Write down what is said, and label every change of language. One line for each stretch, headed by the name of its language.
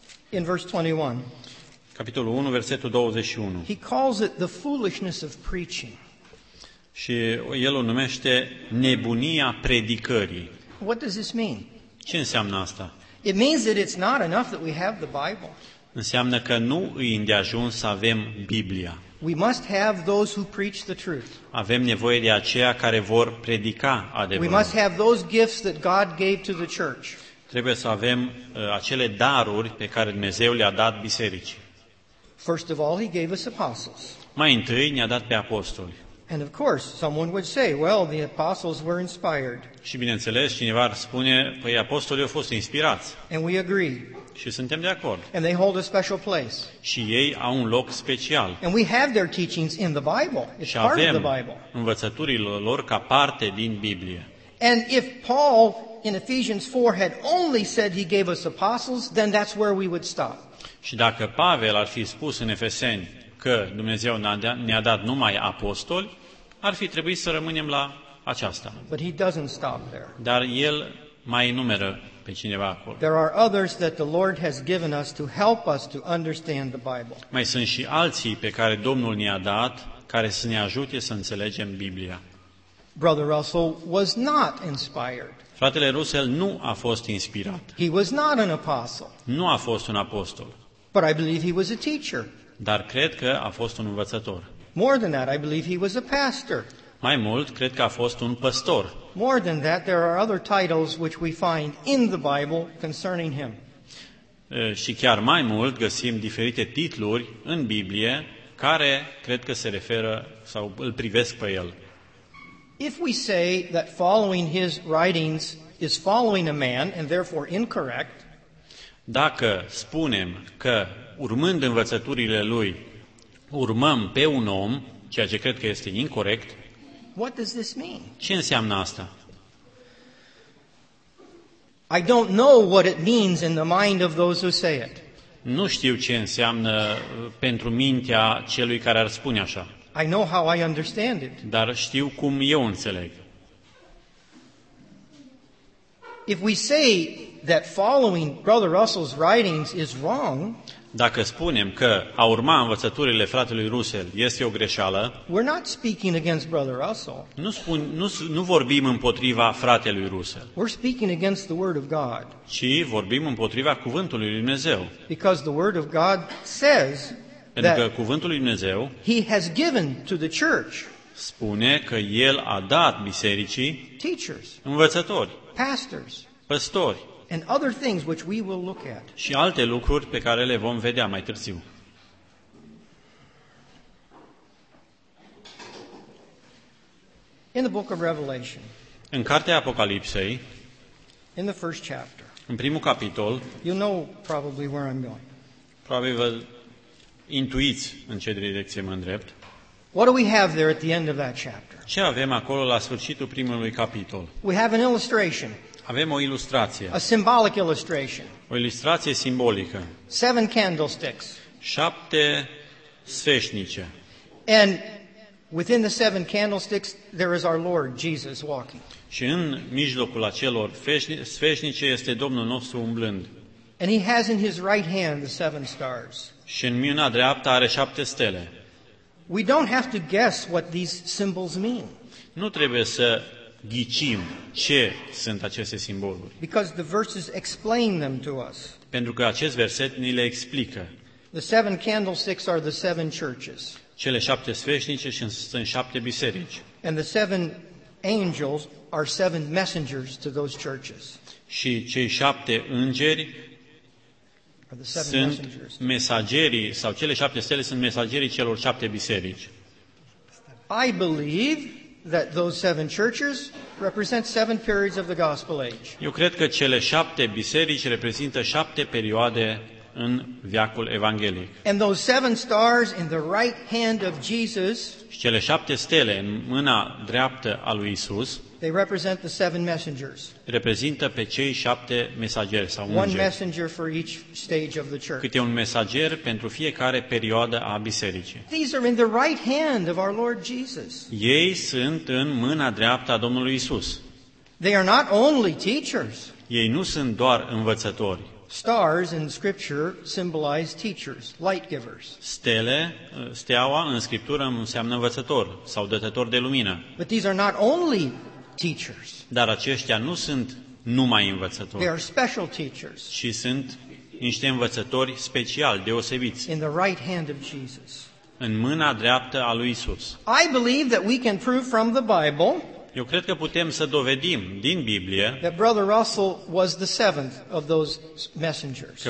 English: In verse 21.
Romanian: Capitolul 1, versetul 21.
English: He calls it the foolishness of preaching.
Romanian: Și el o numește nebunia predicării.
English: What does this mean?
Romanian: Ce înseamnă asta?
English: It means that it's not enough that we have the Bible.
Romanian: Înseamnă că nu e îndeajuns să avem Biblia.
English: We must have those who preach the truth.
Romanian: Avem nevoie de aceia care vor predica adevărul.
English: We must have those gifts that God gave to the church.
Romanian: Trebuie să avem acele daruri pe care Dumnezeu le-a dat bisericii.
English: First of all, he gave us apostles.
Romanian: Mai întâi ne-a dat pe apostoli.
English: And of course, someone would say, well, the apostles were inspired.
Romanian: Și bineînțeles, cineva ar spune, păi apostolii au fost inspirați.
English: And we agree.
Romanian: Și suntem de acord.
English: And they hold a special place.
Romanian: Și ei au un loc special.
English: And we have their teachings in the Bible. It's
Romanian: și avem
English: part of the Bible.
Romanian: Învățăturile lor ca parte din Biblie.
English: And if Paul in Ephesians 4 had only said he gave us apostles, then that's where we would stop.
Romanian: Și dacă Pavel ar fi spus în Efeseni că Dumnezeu ne-a dat numai apostoli, ar fi trebuit să rămânem la aceasta.
English: But he doesn't stop there.
Romanian: Dar el mai enumeră pe cineva acolo.
English: There are others that the Lord has given us to help us to understand the Bible.
Romanian: Mai sunt și alții pe care Domnul ne-a dat care să ne ajute să înțelegem Biblia.
English: Brother Russell was not inspired.
Romanian: Fratele Russell nu a fost inspirat.
English: He was not an apostle.
Romanian: Nu a fost un apostol.
English: But I believe he was a teacher.
Romanian: Dar cred că a fost un învățător.
English: More than that, I believe he was a pastor.
Romanian: Mai mult, cred că a fost un păstor.
English: More than that, there are other titles which we find in the Bible concerning him.
Romanian: Și chiar mai mult, găsim diferite titluri în Biblie care cred că se referă sau îl privesc pe el.
English: If we say that following his writings is following a man and therefore incorrect,
Romanian: dacă spunem că urmând învățăturile lui urmăm pe un om, ceea ce cred că este incorrect,
English: what does this mean?
Romanian: Ce înseamnă asta?
English: I don't know what it means in the mind of those who say it.
Romanian: Nu știu ce înseamnă pentru mintea celui care ar spune așa.
English: I know how I understand it.
Romanian: Dar știu cum eu înțeleg.
English: If we say that following Brother Russell's writings is wrong,
Romanian: dacă spunem că a urma învățăturile fratelui Russell este o greșeală,
English: we're not speaking against Brother Russell.
Romanian: Nu vorbim împotriva fratelui Russell.
English: We're speaking against the word of God.
Romanian: Ci vorbim împotriva cuvântului lui Dumnezeu.
English: Because the word of God says
Romanian: pentru că cuvântul lui Dumnezeu
English: he has given to the church
Romanian: spune că el a dat bisericii
English: teachers,
Romanian: învățători,
English: pastors,
Romanian: păstori
English: and other things which we will look at.
Romanian: Și alte lucruri pe care le vom vedea mai târziu.
English: In the book of Revelation,
Romanian: în cartea Apocalipsei,
English: in the first chapter,
Romanian: în primul capitol,
English: you know probably where I'm going.
Romanian: Probabil intuiți în ce direcție mă îndrept.
English: What do we have there at the end of that chapter?
Romanian: Ce avem acolo la sfârșitul primului capitol?
English: We have an illustration.
Romanian: Avem o ilustrație.
English: A symbolic illustration.
Romanian: O ilustrație simbolică.
English: Seven candlesticks.
Romanian: Șapte sfeșnice.
English: And within the seven candlesticks there is our Lord Jesus walking.
Romanian: Și în mijlocul acelor sfeșnice este Domnul nostru umblând.
English: And he has in his right hand the seven stars.
Romanian: Și în mâna dreaptă are șapte stele.
English: We don't have to guess what these symbols mean.
Romanian: Nu trebuie să ghicim ce sunt aceste simboluri.
English: Because the verses explain them to us.
Romanian: Pentru că acest verset ni le explică.
English: The seven candlesticks are the seven churches.
Romanian: Cele șapte sfeșnice sunt șapte biserici.
English: And the seven angels are seven messengers to those churches.
Romanian: Și cei șapte îngeri sunt mesagerii sau cele șapte stele sunt mesagerii celor șapte biserici.
English: I believe that those seven churches represent seven periods of the gospel age.
Romanian: Eu cred că cele șapte biserici reprezintă șapte perioade în veacul evanghelic.
English: And those seven stars in the right hand of Jesus,
Romanian: și cele șapte stele în mâna dreaptă a lui Isus,
English: they represent the seven messengers.
Romanian: Reprezintă pe cei șapte mesageri sau îngeri.
English: One messenger for each stage of the church.
Romanian: Câte un mesager pentru fiecare perioadă a bisericii.
English: These are in the right hand of our Lord Jesus.
Romanian: Ei sunt în mâna dreaptă a Domnului Isus.
English: They are not only teachers.
Romanian: Ei nu sunt doar învățători.
English: Stars in scripture symbolize teachers, light givers.
Romanian: Stele, steaua în scriptură înseamnă învățător sau dătător de lumină.
English: But these are not only teachers.
Romanian: Dar aceștia nu sunt numai învățători.
English: They are special teachers.
Romanian: Și sunt niște învățători speciali, deosebiți.
English: In the right hand of Jesus.
Romanian: În mâna dreaptă a lui Isus.
English: I believe that we can prove from the Bible.
Romanian: Eu cred că putem să dovedim din Biblie
English: that Brother Russell was the seventh of those messengers.